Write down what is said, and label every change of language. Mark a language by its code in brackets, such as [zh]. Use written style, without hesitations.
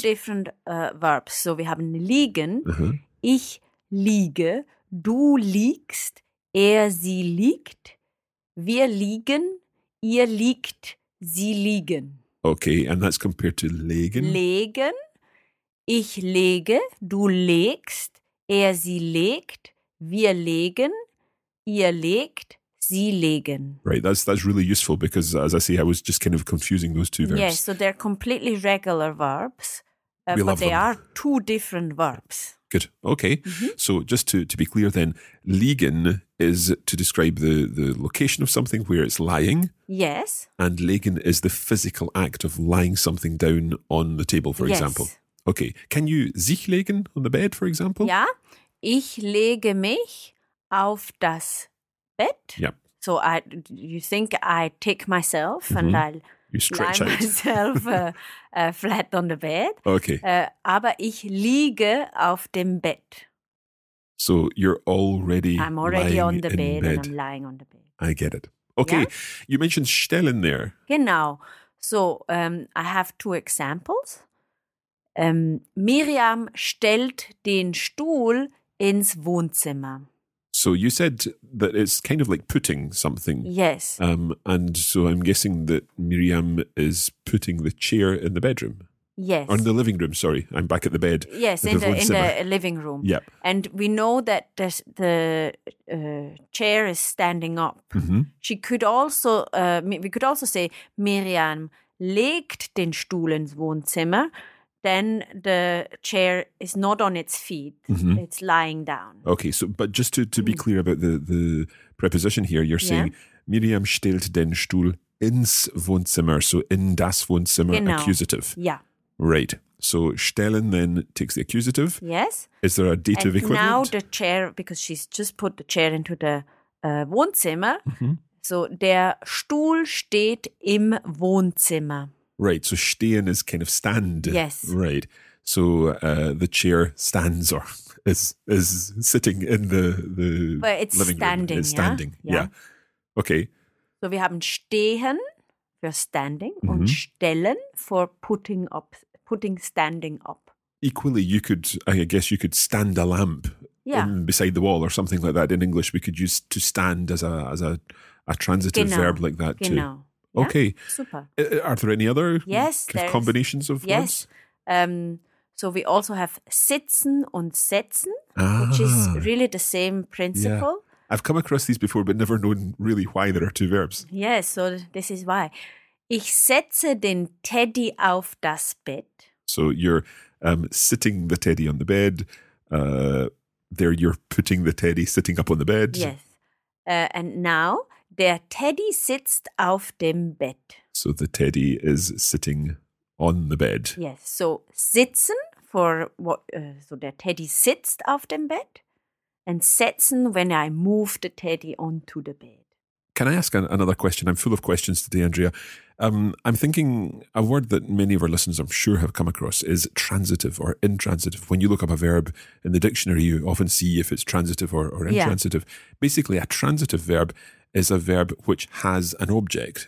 [en] Two different verbs. So we have liegen. Uh-huh. [de] Ich liege. Du liegst. Sie liegt. Wir liegen. Ihr liegt. Sie liegen. [en] Okay. And that's compared to legen. [de] Legen. Ich lege. Du legst. Sie legt. Wir legen, ihr legt, sie legen. [en] Right, that's really useful because, as I say, I was just kind of confusing those two verbs. Yes, so they're completely regular verbs, are two different verbs. Good, okay. Mm-hmm. So just to be clear then, liegen is to describe the location of something where it's lying. Yes. And legen is the physical act of lying something down on the table, for example. Okay, can you [de] sich legen [en] on the bed, for example? [de] Ja, ich lege mich auf das Bett. [en] Yep. So you think I take myself and I'll lie myself flat on the bed. Okay. [de] Aber ich liege auf dem Bett. [en] So you're already lying I'm already on the bed and I'm lying on the bed. I get it. Okay, you mentioned stellen there. [de] Genau. [en] So I have two examples. [de] Miriam stellt den Stuhl ins Wohnzimmer. [en] So you said that it's kind of like putting something. Yes. And so I'm guessing that Miriam is putting the chair in the bedroom. Yes. Or in the living room, sorry. I'm back at the bed. Yes, in the living room. Yep. And we know that the chair is standing up. Mm-hmm. She could also, we could also say Miriam [de] legt den Stuhl ins Wohnzimmer. [en] Then the chair is not on its feet. Mm-hmm. It's lying down. Okay, so but just to be clear about the preposition here, you're saying Miriam [de] stellt den Stuhl ins Wohnzimmer, [en] so [de] in das Wohnzimmer, genau. [en] Accusative. Yeah. Right. So stellen then takes the accusative. Yes. Is there a dative and equivalent? Now the chair, because she's just put the chair into the Wohnzimmer, mm-hmm. [de] so der Stuhl steht im Wohnzimmer. [en] Right, so stehen is kind of stand. Yes. Right, so the chair stands or is sitting in the but it's living standing, room. It's standing, yeah. Okay. So we have stehen for standing mm-hmm. and stellen for putting standing up. Equally, you could, I guess you could stand a lamp beside the wall or something like that. In English, we could use to stand as a transitive [de] genau. [en] Verb like that [de] genau. [en] Too. Yeah? Okay. Super. Are there any other combinations of yes. words? So we also have [de] sitzen und setzen, ah. [en] which is really the same principle. Yeah. I've come across these before, but never known really why there are two verbs. Yes, so this is why. [de] Ich setze den Teddy auf das Bett. [en] So you're sitting the Teddy on the bed. There you're putting the Teddy sitting up on the bed. Yes. And now... [de] Der Teddy sitzt auf dem Bett. [en] So the Teddy is sitting on the bed. Yes. So sitzen for what? [de] So der Teddy sitzt auf dem Bett. [en] And setzen when I move the Teddy onto the bed. Can I ask another question? I'm full of questions today, Andrea. I'm thinking a word that many of our listeners, I'm sure, have come across is transitive or intransitive. When you look up a verb in the dictionary, you often see if it's transitive or intransitive. Yeah. Basically, a transitive verb is a verb which has an object.